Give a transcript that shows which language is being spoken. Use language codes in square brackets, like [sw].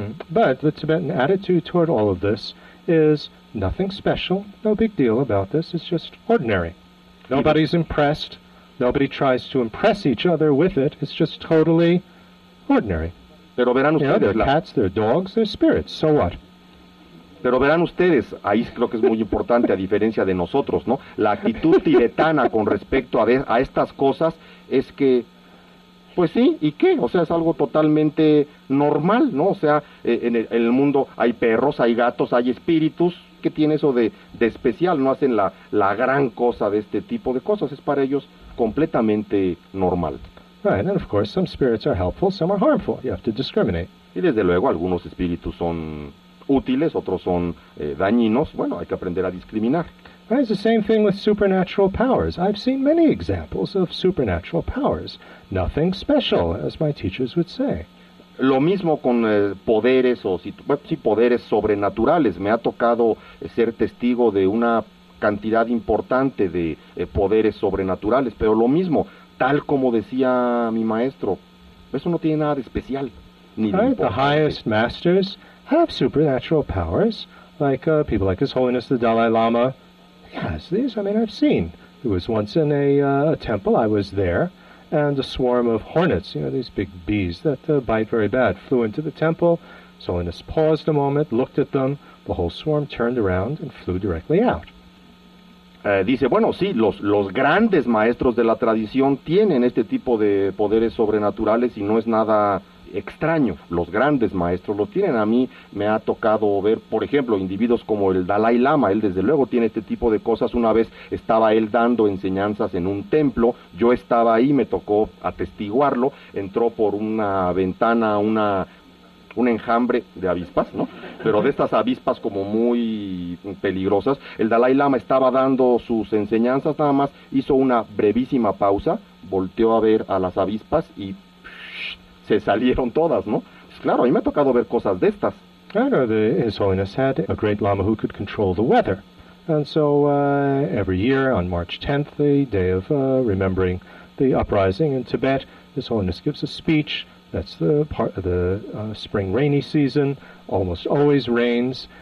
[en] But the Tibetan attitude toward all of this is nothing special, no big deal about this, it's just ordinary. Nobody's impressed, nobody tries to impress each other with it, it's just totally ordinary. [es] Pero verán ustedes, [en] you know, they're cats, they're dogs, they're spirits, so what? [es] Pero verán ustedes, ahí creo que es muy importante, a diferencia de nosotros, ¿no? La actitud tibetana con respecto a estas cosas es que, pues sí, ¿y qué? O sea, es algo totalmente normal, ¿no? O sea, en el mundo hay perros, hay gatos, hay espíritus. ¿Qué tiene eso de especial? No hacen la gran cosa de este tipo de cosas. Es para ellos completamente normal. [en] Right, and of course, some spirits are helpful, some are harmful. You have to discriminate. [es] Y desde luego, algunos espíritus son útiles, otros son dañinos. Bueno, hay que aprender a discriminar. [en] It's the same thing with supernatural powers. I've seen many examples of supernatural powers. Nothing special, as my teachers would say. [es] Lo mismo con poderes poderes sobrenaturales. Me ha tocado ser testigo de una cantidad importante de poderes sobrenaturales, pero lo mismo. Tal como decía mi maestro, eso no tiene nada de especial, ni de importante. [en] The highest masters have supernatural powers, like people like His Holiness the Dalai Lama. Yes, these, I mean, I've seen. He was once in a temple, I was there, and a swarm of hornets, you know, these big bees that bite very bad, flew into the temple. His Holiness paused a moment, looked at them, the whole swarm turned around and flew directly out. [es] Dice, bueno, sí, los grandes maestros de la tradición tienen este tipo de poderes sobrenaturales y no es nada extraño. Los grandes maestros lo tienen. A mí me ha tocado ver, por ejemplo, individuos como el Dalai Lama. Él desde luego tiene este tipo de cosas. Una vez estaba él dando enseñanzas en un templo. Yo estaba ahí, me tocó atestiguarlo. Entró por una ventana un enjambre de avispas, ¿no? Pero de estas avispas como muy peligrosas. El Dalai Lama estaba dando sus enseñanzas, nada más hizo una brevísima pausa, volteó a ver a las avispas y se salieron todas, ¿no? Pues claro, a mí me ha tocado ver cosas de estas. Claro, [en] His Holiness had a great lama who could control the weather. And so every year on March 10th, the day of remembering the uprising in Tibet, His Holiness gives a speech. That's the part of the spring rainy season, almost always rains.